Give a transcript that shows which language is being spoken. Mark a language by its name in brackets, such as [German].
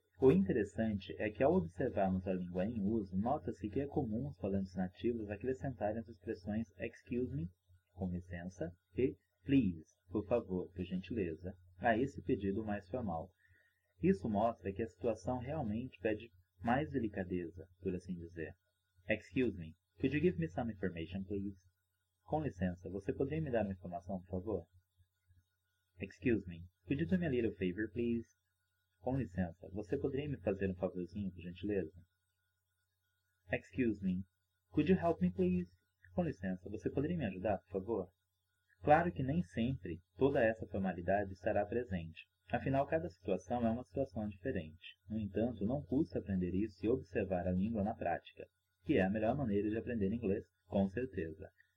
[Portuguese] O interessante é que, ao observarmos a língua em uso, nota-se que é comum os falantes nativos acrescentarem as expressões excuse me, com licença, e please, por favor, por gentileza, a esse pedido mais formal. Isso mostra que a situação realmente pede mais delicadeza, por assim dizer. [English] Excuse me, could you give me some information, please? [Portuguese] Com licença, você poderia me dar uma informação, por favor? [English] Excuse me, could you do me a little favor, please? [Portuguese] Com licença, você poderia me fazer um favorzinho, por gentileza? [English] Excuse me, could you help me, please? [Portuguese] Com licença, você poderia me ajudar, por favor? Claro que nem sempre toda essa formalidade estará presente. Afinal, cada situação é uma situação diferente. No entanto, não custa aprender isso e observar a língua na prática, que é a melhor maneira de aprender inglês, com certeza.